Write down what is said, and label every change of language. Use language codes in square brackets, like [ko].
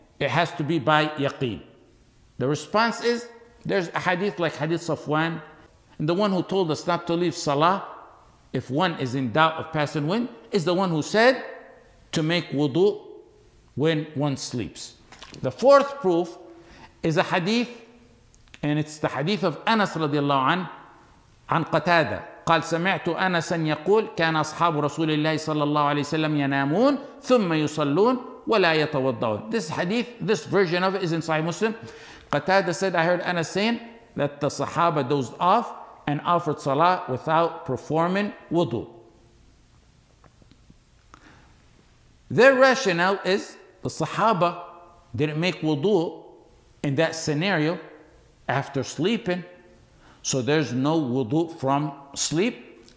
[en] It has to be by yaqeen. The response is, there's a hadith like hadith Safwan, and the one who told us not to leave salah if one is in doubt of passing wind is the one who said to make wudu when one sleeps. The fourth proof is a hadith, and it's the hadith of Anas radiallahu anhu, [ar] عن قتادة. قال سمعت أنسا يقول كان أصحاب رسول الله صلى الله عليه وسلم ينامون ثم يصلون ولا يتوضعون. [en] This hadith, this version of it is in Sahih Muslim. Qatada said, I heard Anas saying that the Sahaba dozed off and offered salah without performing wudu. Their rationale is the Sahaba didn't make wudu in that scenario after sleeping, so there's no wudu from sleep.